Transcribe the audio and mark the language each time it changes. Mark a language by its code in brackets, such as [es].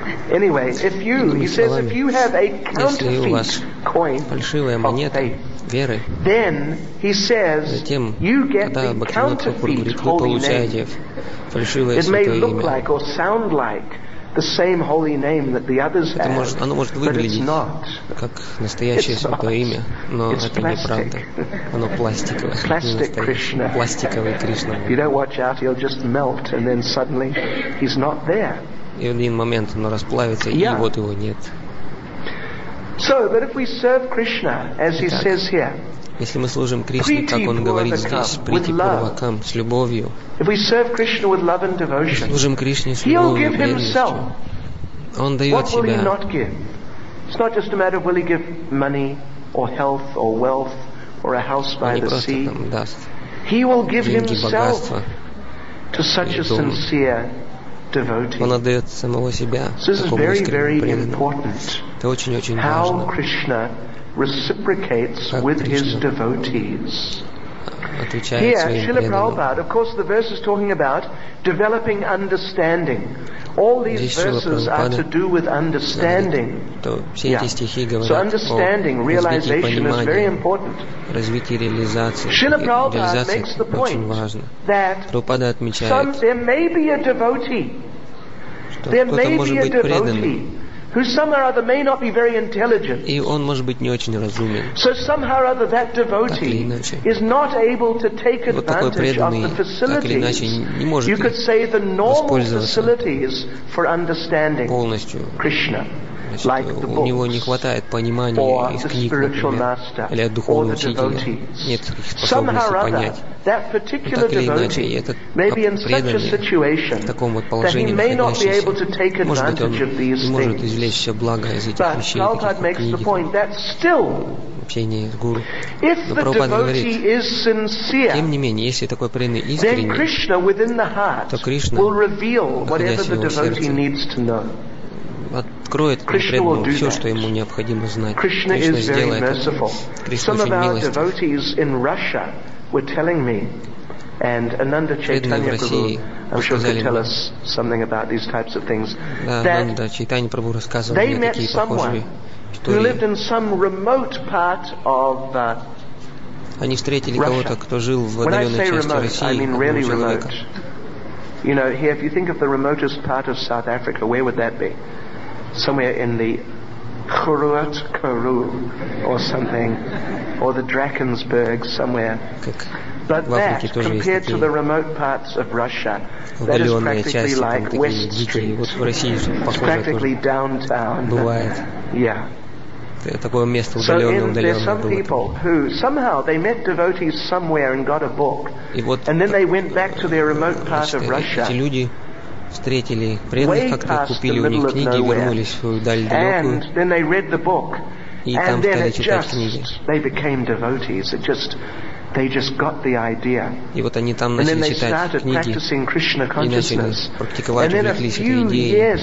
[en] Anyway, if you, he says, if you have a counterfeit coin, [ru] фальшивая монета веры, [en] then he says, [ru] затем, [en] you get the counterfeit holy name. It may look like or sound like the same holy name that the others have, [ru] может [en] but it's not. [ru] Как настоящее святое имя, но это неправда. Оно пластиковое. Кришна. [en] If you don't watch out, he'll just melt, and then suddenly he's not there. [ru] И в один момент оно расплавится, и вот его нет. [en] So, but if we serve Krishna, as he says here, [ru] если мы служим Кришне, как он говорит здесь, прити пурвакам, с любовью, если служим Кришне с любовью и преданностью, он дает себя. [en] What will he not give? It's not just a matter of will he give money or health or wealth or a house by the sea. He will give himself to such a sincere devotee. [ru] Он отдает самого себя такому искреннему преданному. Это очень-очень важно. [en] Reciprocates with his devotees. Here, Srila Prabhupada, of course, the verse is talking about developing understanding. All these verses are to do with understanding. So understanding, realization is very important. Srila Prabhupada makes the point that there may be a devotee. Who somehow or other may not be very intelligent. [ru] И он может быть не очень разумен. [en] So somehow or other that devotee is not able to take advantage of the facilities. You could say the normal facilities for understanding Krishna. [ru] У него не хватает понимания из книг, например, или от духовного учителя. Нет способности понять. Но так или иначе, этот преданный в таком вот положении находящийся, может быть, он не может извлечь все благо из этих вещей, каких-то книг, общения с гуру. Но Прабхупада говорит, тем не менее, если такой преданный искренний, то Кришна, находясь в его сердце, откроет преданному все, что ему необходимо знать. Кришна сделает это. Кришна очень милостив. [en] And Ananda Chaitanya Prabhu, I'm sure, could tell us something about these types of things. That they met someone who lived in some remote part of Russia. When I say remote, I mean really remote. You know, here, if you think of the remotest part of South Africa, where would that be? Somewhere in the Khuruat Karu or something, or the Drakensberg somewhere. But that, compared to the remote parts of Russia, that is practically like West Street. It's practically downtown. Yeah. [ru] Такое место удаленное, удаленное. [en] Who, somehow, they met devotees somewhere and got a book. And then they went back to their remote part of Russia. [ru] Эти люди встретили преданных, как-то купили у них книги и вернулись в свою даль далекую. И там стали читать книги. [en] They became devotees. It just They just got the idea. [ru] И вот они там начали читать книги и начали практиковать, увлеклись этой идеей.